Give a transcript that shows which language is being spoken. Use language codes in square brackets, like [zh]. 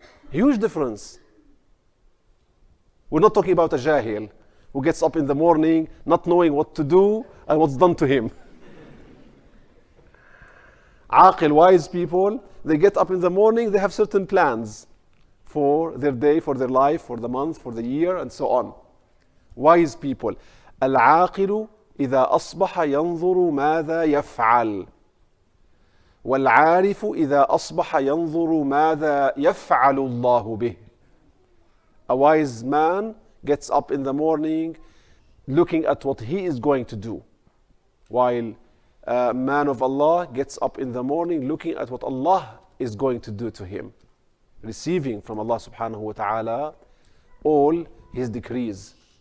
[en] Huge difference. We're not talking about a jahil who gets up in the morning not knowing what to do and what's done to him. Aqil, wise people, they get up in the morning, they have certain plans for their day, for their life, for the month, for the year, and so on. Wise people. [ar] Al-aqilu إذا أصبح ينظر ماذا يفعل والعارف إذا أصبح ينظر ماذا يفعل الله به. [en] A wise man gets up in the morning looking at what he is going to do, while a man of Allah gets up in the morning looking at what Allah is going to do to him, receiving from Allah subhanahu wa ta'ala all his decrees.